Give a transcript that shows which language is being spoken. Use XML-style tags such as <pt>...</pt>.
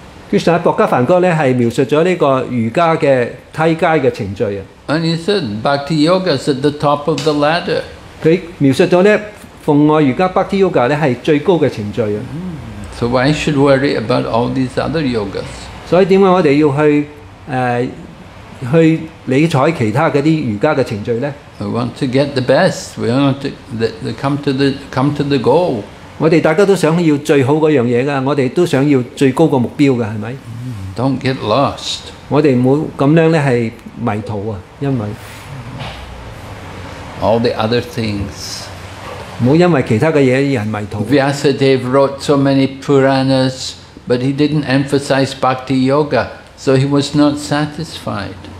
<yue>Krishna 喺《博伽梵歌》咧，係描述咗呢個瑜伽嘅梯階嘅程序啊。</yue> <en>And he said, "Bhakti Yoga is at the top of the ladder."</en> <yue>佢描述咗咧，奉愛瑜伽（Bhakti Yoga） 咧係最高嘅程序啊。</yue> <en>So why should worry about all these other yogas?</en> <yue>所以點解我哋要去誒？去理睬其他嗰啲瑜伽嘅程序咧。</yue> <en>We want to get the best. We want to come to the goal.</en> <yue>我哋大家都想要最好嗰樣嘢㗎，我哋都想要最高個目標㗎，係咪？</yue> <en>Don't get lost.</en> <yue>我哋冇咁樣咧係迷途啊，因為</yue> <en>all the other things.</en> <yue>冇因為其他嘅嘢而係迷途。</yue> <en>Vyasadeva wrote so many Puranas, but he didn't emphasize Bhakti Yoga, so he was not satisfied.</en>